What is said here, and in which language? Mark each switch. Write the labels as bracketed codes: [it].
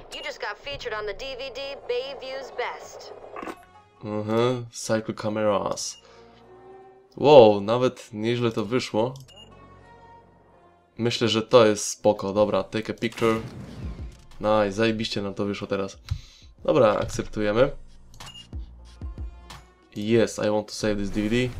[en] You just got featured on the DVD Bayview's Best. Cycle cameras. [pl] Wow, nawet nieźle to wyszło. Myślę, że to jest spoko. Dobra, [en] take a picture. Nice, [pl] zajebiście nam to wyszło teraz. Dobra, akceptujemy. [en] Yes, I want to save this DVD.